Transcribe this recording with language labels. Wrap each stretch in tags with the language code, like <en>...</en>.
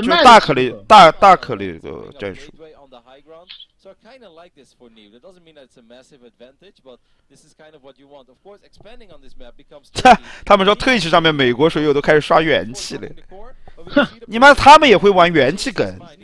<zh>就大颗粒大颗粒的战术。</zh> <en>So I kind of like this for Neep. That doesn't mean that it's a massive advantage, but this is kind of what you want. Of course, expanding on this map becomes.</en> <zh>他们说 Twitch 上面美国水友都开始刷元气了。哼，你妈他们也会玩元气梗。</zh>